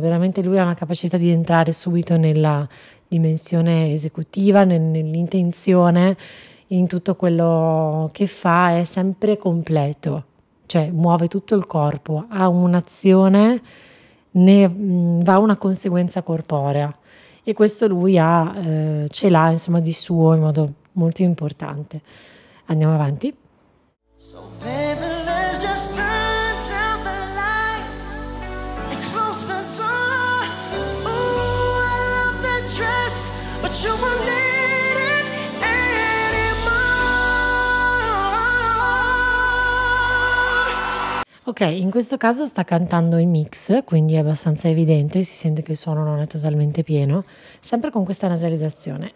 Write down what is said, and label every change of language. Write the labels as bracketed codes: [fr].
[it] Veramente lui ha una capacità di entrare subito nella dimensione esecutiva, nell'intenzione, in tutto quello che fa, è sempre completo, cioè muove tutto il corpo, ha un'azione, ne va una conseguenza corporea e questo lui ha ce l'ha insomma di suo in modo molto importante. Andiamo avanti. [en] So baby, let's just turn down the lights and close the door. Ooh, I love that dress, but you won't need it anymore. [it] Ok, in questo caso sta cantando in mix, quindi è abbastanza evidente, si sente che il suono non è totalmente pieno, sempre con questa nasalizzazione.